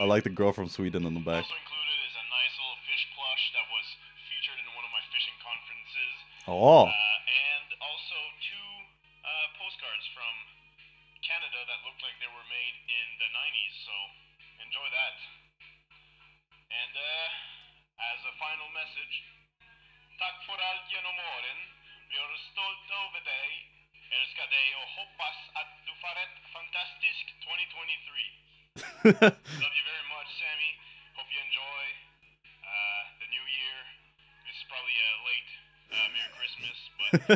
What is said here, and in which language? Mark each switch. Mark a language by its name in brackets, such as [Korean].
[English] I like the girl from Sweden in the back. Also included is a nice little fish plush that was featured in one of my fishing conferences. Oh. And also two postcards from... Canada that looked like they were made in the 90s, so enjoy that. And as a final message, [Swedish] tack för allt genom åren. Vi är stolta över dig, älskar dig och hoppas att du får ett fantastiskt 2023. [English] Love you very much, Sammy. Hope you enjoy the new year. This is probably a late Merry Christmas, but